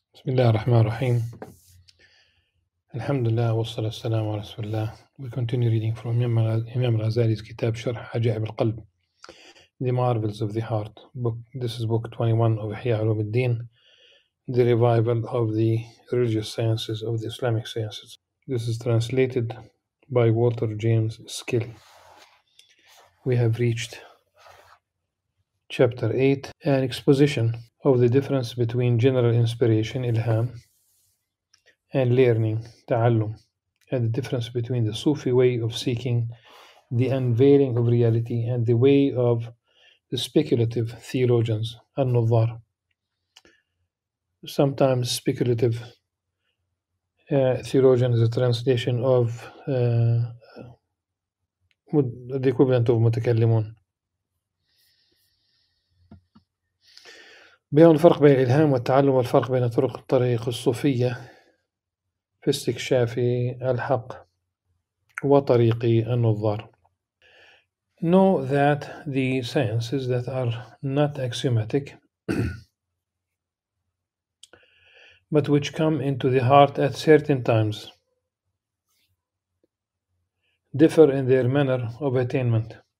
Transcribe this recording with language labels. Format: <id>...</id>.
<ar>بسم الله الرحمن الرحيم الحمد لله والصلاة والسلام على رسول الله.</ar> <en>We continue reading from Imam Al-Ghazali's كتاب شرح عجائب القلب, The Marvels of the Heart. This is book 21 of إحياء علوم الدين, The Revival of the Religious Sciences of the Islamic Sciences. This is translated by Walter James Skill. We have reached chapter 8, an exposition of the difference between general inspiration, ilham, and learning, ta'allum, and the difference between the Sufi way of seeking the unveiling of reality and the way of the speculative theologians, al-nuzar. Sometimes speculative theologian is a translation of the equivalent of mutakallimun.</en> <ar>بيان الفرق بين الإلهام والتعلم والفرق بين طرق الطريق الصوفية في استكشاف الحق وطريق النظار.</ar> <en>Know that the sciences that are not axiomatic but which come into the heart at certain times differ in their manner of attainment.</en>